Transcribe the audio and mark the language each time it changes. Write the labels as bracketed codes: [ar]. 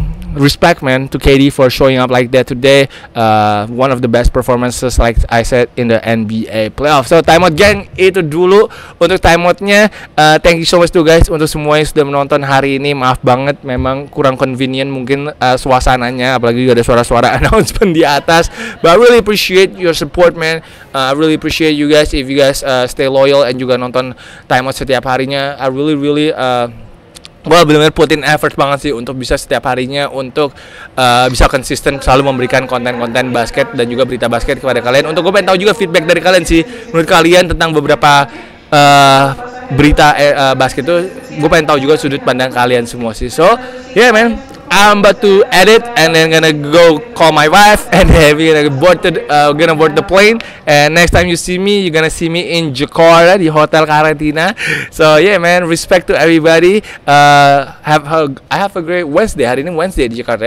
[en] Respect man to KD for showing up like that today. One of the best performances like I said in the NBA playoff. [id] So timeout gang, itu dulu untuk timeoutnya. [en] Thank you so much to guys [id] untuk semua yang sudah menonton hari ini. Maaf banget memang kurang convenient mungkin suasananya, apalagi juga ada suara-suara announcement di atas. [en] But I really appreciate your support man. I really appreciate you guys if you guys stay loyal and [id] juga nonton timeout setiap harinya. [en] I really really [id] gue bener-bener putin effort banget sih untuk bisa setiap harinya untuk bisa konsisten selalu memberikan konten-konten basket dan juga berita basket kepada kalian. Untuk gue pengen tahu juga feedback dari kalian sih, menurut kalian tentang beberapa berita basket itu, gue pengen tahu juga sudut pandang kalian semua sih. [en] So yeah man, I'm about to edit and then gonna go call my wife and then gonna board the plane. And next time you see me, you gonna see me in Jakarta [id] di hotel karantina. [en] So yeah man, respect to everybody. Have a great Wednesday. [id] Hari ini Wednesday di Jakarta.